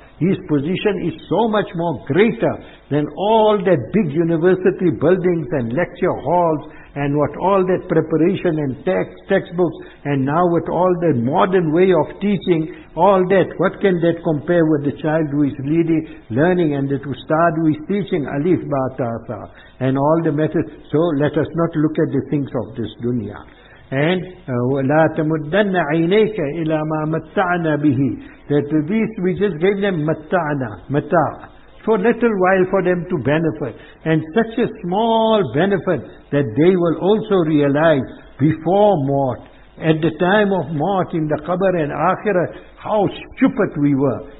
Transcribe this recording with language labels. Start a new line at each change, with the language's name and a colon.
English: His position is so much more greater than all that big university buildings and lecture halls and what all that preparation and textbooks, and now with all the modern way of teaching, all that, what can that compare with the child who is leading, learning, and the ustad who is teaching Alif Ba Ta Tha, and all the methods. So let us not look at the things of this dunya.
Arabic: And لَا تَمُدَّنَّ عَيْنَيْكَ إِلَى مَا مَتَّعْنَا بِهِ.
English: That these, we just gave them مَتَّعْنَا, مَتَّعْ, for little while for them to benefit. And such a small benefit that they will also realize before mort. at the time of Maut in the Qabr and Akhirah, how stupid we were.